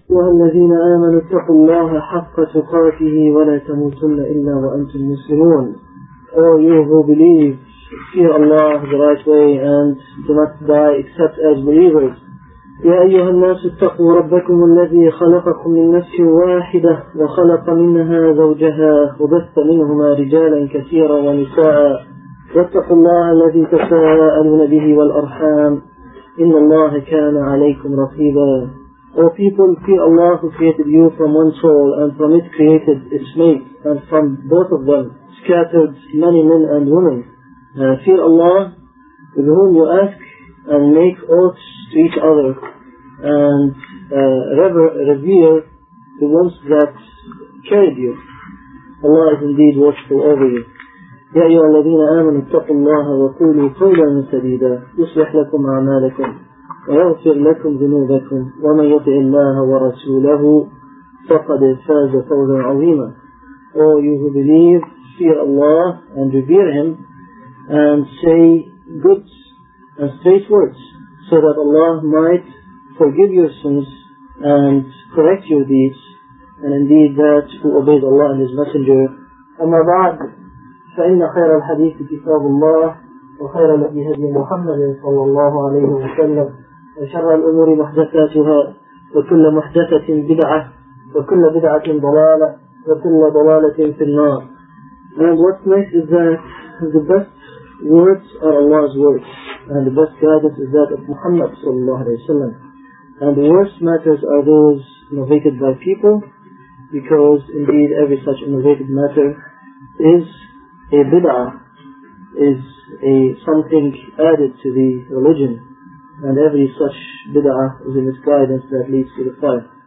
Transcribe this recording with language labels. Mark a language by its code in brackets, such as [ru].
[ar] أيها الذين آمنوا اتقوا الله حق تقاته ولا تموتن إلا وأنتم مسلمون. [en] All you who believe, fear Allah the right way and do not die except as believers. [ar] يا أيها الناس اتقوا ربكم الذي خلقكم من نفس واحدة وخلق منها زوجها وبث منهما رجالا كثيرا ونساء واتقوا الله الذي تساءلون به والأرحام إن الله كان عليكم رقيبا. [en] O people, fear Allah who created you from one soul and from it created its mate, and from both of them scattered many men and women. Fear Allah with whom you ask and make oaths to each other, and revere the ones that carried you. Allah is indeed watchful over you. [ar] يا أيها الذين آمنوا اتقوا الله وقولوا قولا سديدا يصلح لكم أعمالكم ويغفر لكم ذنوبكم ومن يطع الله ورسوله فقد فاز فوزا عظيما. [en] All you who believe, fear Allah and revere Him and say good and straight words so that Allah might forgive your sins and correct your deeds, and indeed that who obeys Allah and His Messenger. [ar] أما بعد فإن خير الحديث كتاب الله وخير الهدي هدي محمد صلى الله عليه وسلم وشر الأمور محدثاتها وكل محدثة بدعة وكل بدعة ضلالة وكل ضلالة في النار. [en] And what's nice is that the best words are Allah's words, and the best guidance is that of Muhammad صلى الله عليه وسلم, and the worst matters are those innovated by people, because indeed every such innovated matter is a bid'ah, is a something added to the religion, and every such bid'ah is a misguidance that leads to the fire.